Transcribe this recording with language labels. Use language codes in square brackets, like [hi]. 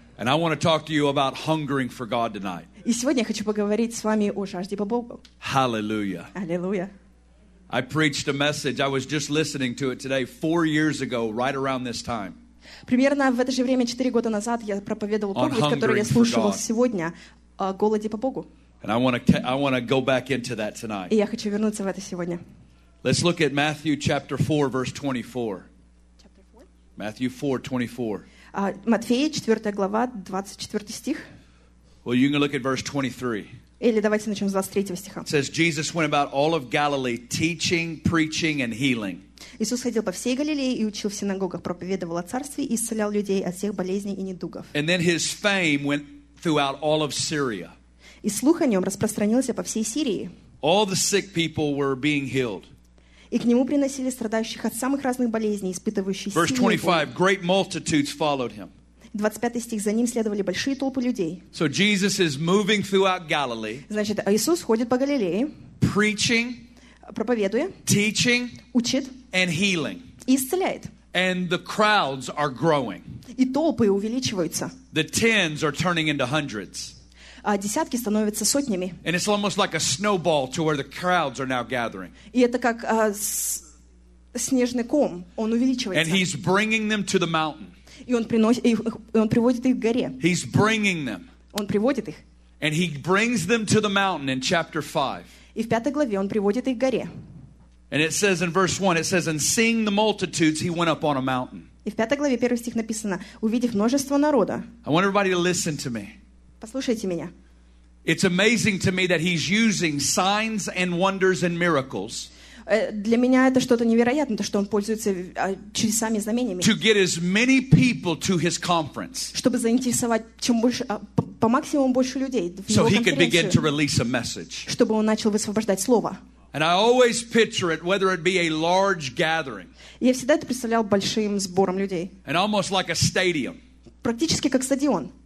[en] And I want to talk to you about hungering for God tonight. [ru] И сегодня я хочу поговорить с вами о жажде по Богу. [en] Hallelujah. Hallelujah. I preached a message. I was just listening to it today, 4 years ago, right around this time. [ru] Примерно в это же время, 4 года назад, я проповедовал проповедь, которую я слушал сегодня, о голоде по Богу. [en] And I want to go back into that tonight. [ru] И я хочу вернуться в это сегодня. [en] Let's look at Matthew chapter 4, verse 24. Matthew 4, 24. [ru] Матфея, 4 глава, 24 стих. [en] Well, you can look at verse 23. [ru] Или давайте начнем с 23 стиха. [en] It says, Jesus went about all of Galilee, teaching, preaching, and healing. [ru] Иисус ходил по всей Галилее и учил в синагогах, проповедовал о царстве и исцелял людей от всех болезней и недугов. [en] And then his fame went throughout all of Syria. [ru] И слух о нем распространился по всей Сирии. [en] All the sick people were being healed. [ru] И к нему приносили страдающих от самых разных болезней, испытывающих силу. [en] Verse 25, great multitudes followed him. [ru] 25 стих, за ним следовали большие толпы людей. [en] So Jesus is moving throughout Galilee. [ru] Значит, Иисус ходит по Галилее. [en] preaching, [ru] проповедуя, [en] teaching, [ru] учит, [en] and healing. [ru] Исцеляет. [en] And the crowds are growing. [ru] И толпы увеличиваются. [en] The tens are turning into hundreds. [ru] А десятки становятся сотнями. [en] And it's almost like a snowball to where the crowds are now gathering. [ru] И это как снежный ком, он увеличивается. [en] And he's bringing them to the mountain. [ru] И он приносит, и он приводит их к горе. [en] He's bringing them. [ru] Он приводит их. [en] And he brings them to the mountain in chapter 5. [ru] И в пятой главе он приводит их к горе. [en] And it says in verse 1, it says, and seeing the multitudes, he went up on a mountain. [ru] И в пятой главе первый стих написано, увидев множество народа. [en] I want everybody to listen to me. [ru] Послушайте меня. [en] It's amazing to me that he's using signs and wonders and miracles. [ru] Для меня это что-то невероятное, то, что он пользуется чудесами и знамениями. [en] To get as many people to his conference. [ru] Чтобы заинтересовать чем больше, по максимуму больше людей в его конференцию. [en] So he could begin to release a message. [ru] Чтобы он начал высвобождать слово. [en] And I always picture it, whether it be a large gathering. [ru] Я всегда это представлял большим сбором людей. [en] And almost like a stadium. [ru] Практически как стадион.